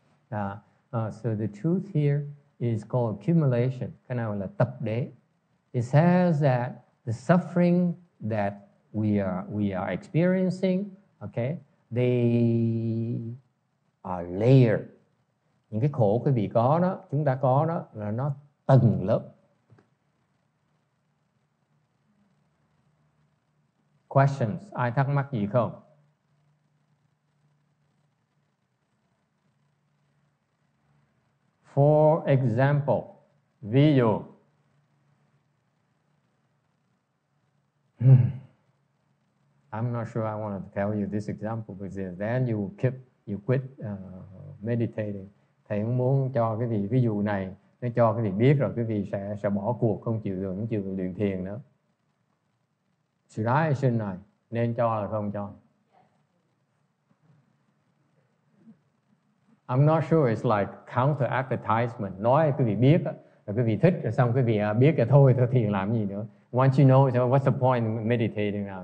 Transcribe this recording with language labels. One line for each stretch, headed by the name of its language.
English: So the truth here is called accumulation,
Vietnamese: cái nào là tập đế.
English: It says that the suffering that we are experiencing, okay, they are layered.
Vietnamese: Những cái khổ quý vị có đó, chúng ta có đó là nó tầng lớp.
English: Questions?
Vietnamese: Ai thắc mắc gì không?
English: For example,
Vietnamese: ví dụ.
English: I'm not sure I want to tell you this example because then you quit meditating.
Vietnamese: Thầy cũng muốn cho cái vị ví dụ này, nó cho cái vị biết rồi cái vị sẽ bỏ cuộc, không chịu luyện thiền nữa.
English: Should I, shouldn't I?
Vietnamese: Nên cho hay không cho?
English: I'm not sure. It's like counter advertisement.
Vietnamese: Nói cái vị biết rồi cái vị thích rồi xong cái vị biết rồi thôi, thôi thiền làm gì nữa.
English: Once you know, so what's the point in meditating now?